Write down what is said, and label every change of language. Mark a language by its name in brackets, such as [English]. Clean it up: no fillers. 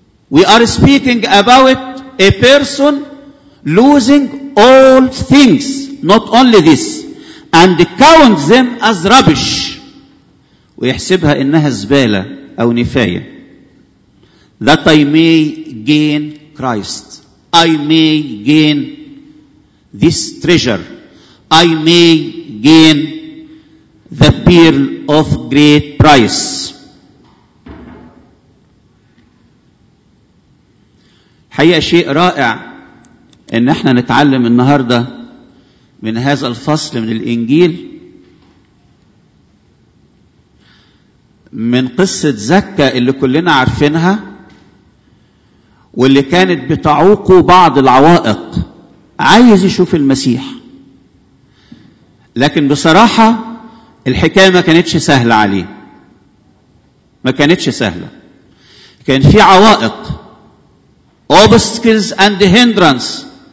[English] We are speaking about a person losing all things, not only this, and count them as rubbish. [Arabic] ويحسبها إنها زبالة أو نفاية. [English] That I may gain Christ. I may gain this treasure. I may gain the pearl of great price. [Arabic] حقيقة شيء رائع ان احنا نتعلم النهاردة من هذا الفصل من الانجيل من قصة زكا اللي كلنا عارفينها واللي كانت بتعوق بعض العوائق عايز يشوف المسيح لكن بصراحة الحكاية ما كانتش سهلة عليه ما كانتش سهلة كان في عوائق [English] obstacles and hindrance